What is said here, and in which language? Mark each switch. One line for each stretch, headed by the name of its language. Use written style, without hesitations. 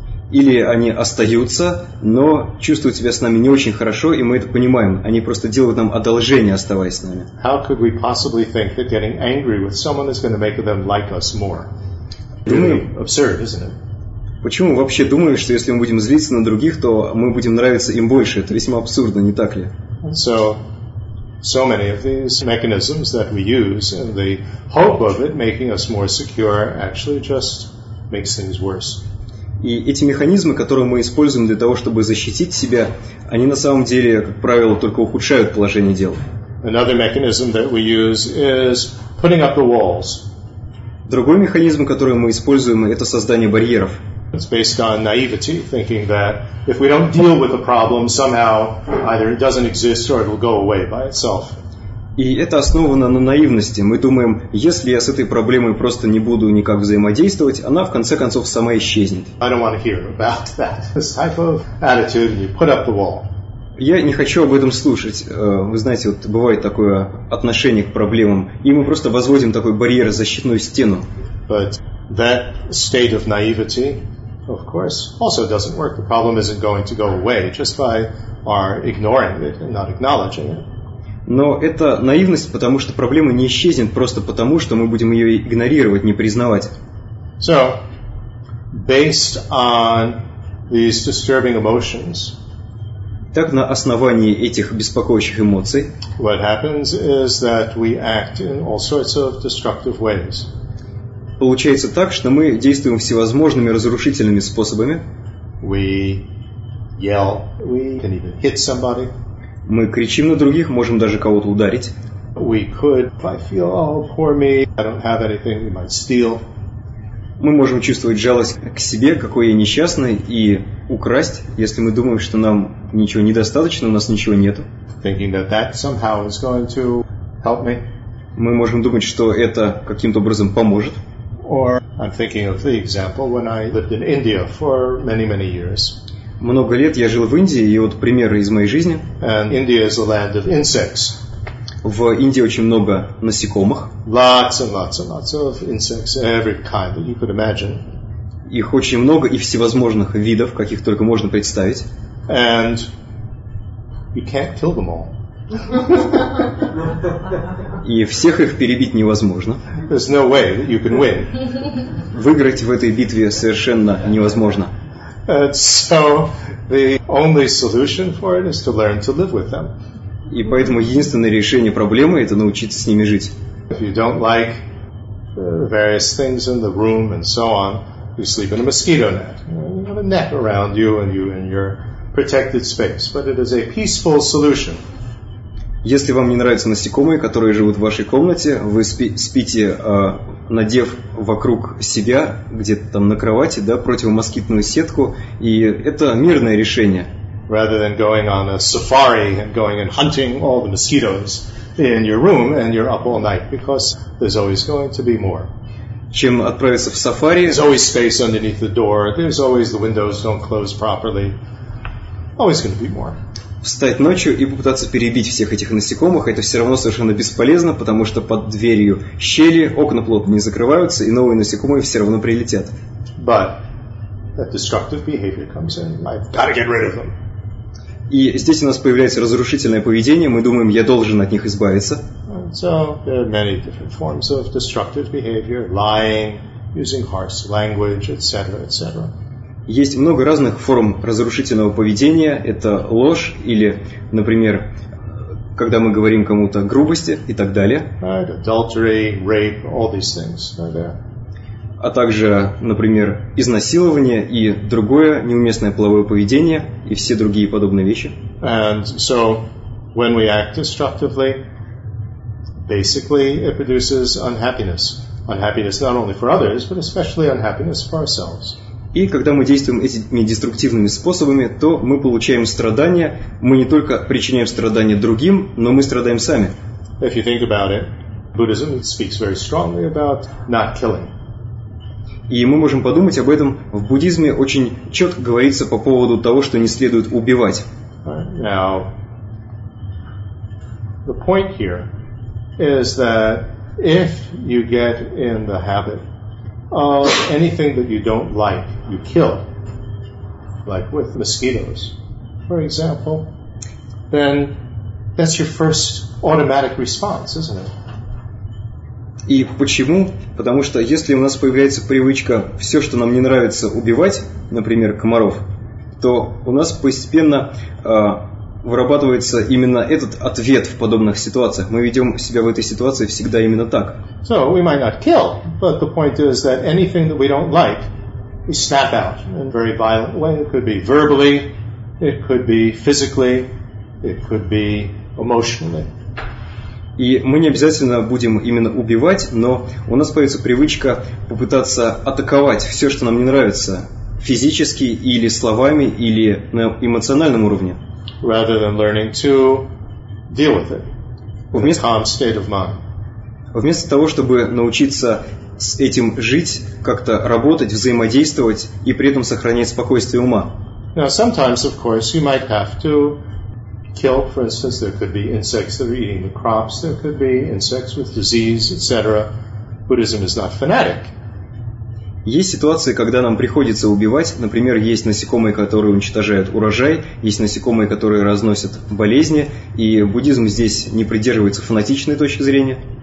Russian: Или они остаются, но чувствуют себя с нами не очень хорошо, и мы это понимаем. Они просто делают нам одолжение, оставаясь с нами.
English: How could we possibly think that getting angry with someone is going to make them like us more? Really absurd, isn't it?
Russian: Почему вообще думаю, что если мы будем злиться на других, то мы будем нравиться им больше? Это весьма абсурдно, не так ли?
English: So many of these mechanisms that we use and the hope of it making us more secure actually just makes things worse.
Russian: И эти механизмы, которые мы используем для того, чтобы защитить себя, они на самом деле, как правило, только ухудшают положение дел.
English: Another mechanism that we use is putting up the walls.
Russian: Другой механизм, который мы используем, это создание барьеров.
English: It's based on naivety, thinking that if we don't deal with a problem, somehow either it doesn't exist or it will go away by itself.
Russian: И это основано на наивности. Мы думаем, если я с этой проблемой просто не буду никак взаимодействовать, она в конце концов сама исчезнет.
English: I don't want to hear about that. This type of attitude, you put up the wall.
Russian: Я не хочу об этом слушать. Вы знаете, вот бывает такое отношение к проблемам, и мы просто возводим такой барьер, защитную стену.
English: But that state of naivety, of course, also doesn't work. The problem isn't going to go away just by our ignoring it and not acknowledging it.
Russian: Но это наивность, потому что проблема не исчезнет просто потому, что мы будем ее игнорировать, не признавать.
English: So, based on these disturbing emotions,
Russian: так на основании этих беспокоящих эмоций,
English: what happens is that we act in all sorts of destructive ways.
Russian: Получается так, что мы действуем всевозможными разрушительными способами.
English: We yell, we can even hit somebody.
Russian: Мы кричим на других, можем даже кого-то ударить.
English: We could, if I feel, oh, poor me, I don't have anything, we might steal.
Russian: Мы можем чувствовать жалость к себе, какой я несчастный, и украсть, если мы думаем, что нам ничего недостаточно, у нас ничего нет.
English: Thinking that that somehow is going to help me.
Russian: Мы можем думать, что это каким-то образом поможет.
English: Or I'm thinking of the example when I lived in India for many, many years.
Russian: Много лет я жил в Индии, и вот примеры из моей жизни.
English: And India is a land of insects.
Russian: В Индии очень много насекомых.
English: Lots and lots and lots of insects, every kind that you could imagine.
Russian: Их очень много и всевозможных видов, каких только можно представить.
English: And you can't kill them all.
Russian: И всех их перебить невозможно.
English: There's no way that you can win.
Russian: Выиграть в этой битве совершенно невозможно.
English: And so the only solution for it is to learn to live with them.
Russian: И поэтому единственное решение проблемы – это научиться с ними жить.
English: If you don't like various things in the room and so on, you sleep in a mosquito net. You have a net around you and you in your protected space, but it is a peaceful solution.
Russian: Если вам не нравятся насекомые, которые живут в вашей комнате, вы спите, надев вокруг себя, где-то там на кровати, да, противомоскитную сетку, и это мирное решение.
English: Rather than going on a safari and going and hunting all the mosquitoes in your room and you're up all night, because there's always going to be more.
Russian: Чем отправиться в сафари?
English: There's always space underneath the door. There's always the windows don't close properly. always going to be more.
Russian: Встать ночью и попытаться перебить всех этих насекомых, это все равно совершенно бесполезно, потому что под дверью щели, окна плотно не закрываются, и новые насекомые все равно прилетят.
English: But that destructive behavior comes in. I've got to get rid of them.
Russian: И здесь у нас появляется разрушительное поведение, мы думаем, я должен от них избавиться.
English: So there are many different forms of destructive behavior, lying, using harsh language, etc., etc.
Russian: Есть много разных форм разрушительного поведения. Это ложь или, например, когда мы говорим кому-то грубости и так далее.
English: Right, adultery, rape, all these things are there.
Russian: А также, например, изнасилование и другое неуместное половое поведение и все другие подобные вещи.
English: And so, when we act destructively, basically it produces unhappiness. Unhappiness not only for others, but especially unhappiness for ourselves.
Russian: И когда мы действуем этими деструктивными способами, то мы получаем страдания. Мы не только причиняем страдания другим, но мы страдаем сами.
English: If you think about it, Buddhism speaks very strongly about not killing.
Russian: И мы можем подумать об этом. В буддизме очень четко говорится по поводу того, что не следует убивать.
English: Now, the point here is that if you get in the habit of anything that you don't like, you kill, like with mosquitoes, for example, then that's your first automatic response, isn't it?
Russian: И почему? Потому что если у нас появляется привычка все, что нам не нравится, убивать, например, комаров, то у нас постепенно вырабатывается именно этот ответ в подобных ситуациях. Мы ведем себя в этой ситуации всегда именно так.
English: So we might not kill, but the point is that anything that we don't like, we snap out in a very violent way. It could be verbally, it could be physically, it could be emotionally.
Russian: И мы не обязательно будем именно убивать, но у нас появится привычка попытаться атаковать все, что нам не нравится, физически или словами, или на эмоциональном уровне.
English: Rather than learning to deal with it in a calm state of mind.
Russian: Вместо того, чтобы научиться с этим жить, как-то работать, взаимодействовать и при этом сохранять спокойствие ума.
English: Now, sometimes, of course, you might have to kill, for instance, there could be insects that are eating the crops, there could be insects with disease, etc. Buddhism is not fanatic.
Russian: Есть ситуации, когда нам приходится убивать. Например, есть насекомые, которые уничтожают урожай, есть насекомые, которые разносят болезни, и буддизм здесь не придерживается фанатичной точки зрения.